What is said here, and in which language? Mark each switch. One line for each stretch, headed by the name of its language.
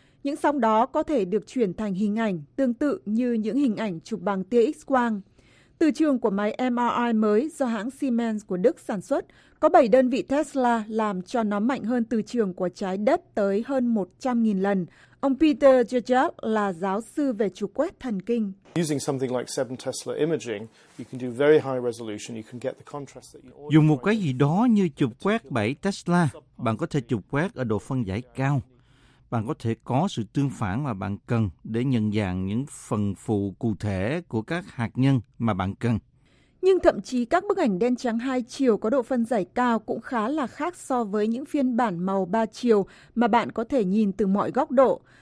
Vietnamese: Những sóng đó có thể được chuyển thành hình ảnh tương tự như những hình ảnh chụp bằng tia X-quang. Từ trường của máy MRI mới do hãng Siemens của Đức sản xuất có 7 đơn vị Tesla, làm cho nó mạnh hơn từ trường của trái đất tới hơn 100.000 lần. Ông Peter Jajab là giáo sư về trục quét thần kinh.
English: Using something like 7 Tesla imaging, you can do very high resolution, you can get the contrast that you order.
Vietnamese: Dùng một cái gì đó như chụp quét 7 Tesla, bạn có thể chụp quét ở độ phân giải cao. Bạn có thể có sự tương phản mà bạn cần để nhận dạng những phần phụ cụ thể của các hạt nhân mà bạn cần. Nhưng thậm chí các bức ảnh đen trắng 2 chiều có độ phân giải cao cũng khá là khác so với những phiên bản màu 3 chiều mà bạn có thể nhìn từ mọi góc độ.